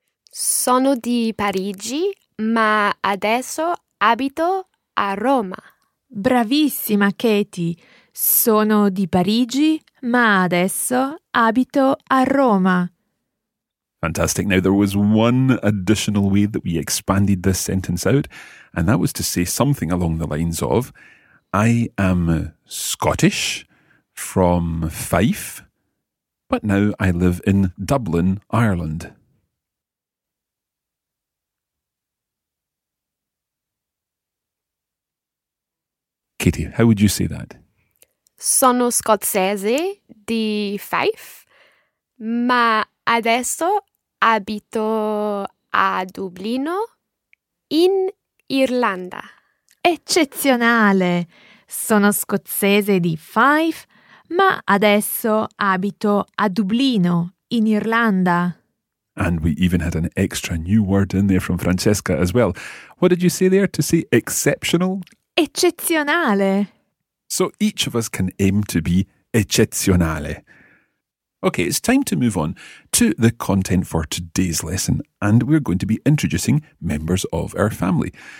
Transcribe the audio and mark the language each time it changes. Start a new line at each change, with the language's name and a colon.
Italian: Sono di Parigi, ma adesso abito a Roma. Bravissima, Katie. Sono di Parigi, ma adesso abito a Roma.
English: Fantastic. Now, there was one additional way that we expanded this sentence out, and that was to say something along the lines of, I am Scottish from Fife, but now I live in Dublin, Ireland. Katie, how would you say that?
Italian: Sono scozzese di Fife, ma adesso abito a Dublino, in Irlanda. Eccezionale! Sono scozzese di Fife, ma adesso abito a Dublino, in Irlanda.
English: And we even had an extra new word in there from Francesca as well. What did you say there to say exceptional?
Italian: Eccezionale!
English: So each of us can aim to be eccezionale. Okay, it's time to move on to the content for today's lesson, and we're going to be introducing members of our family.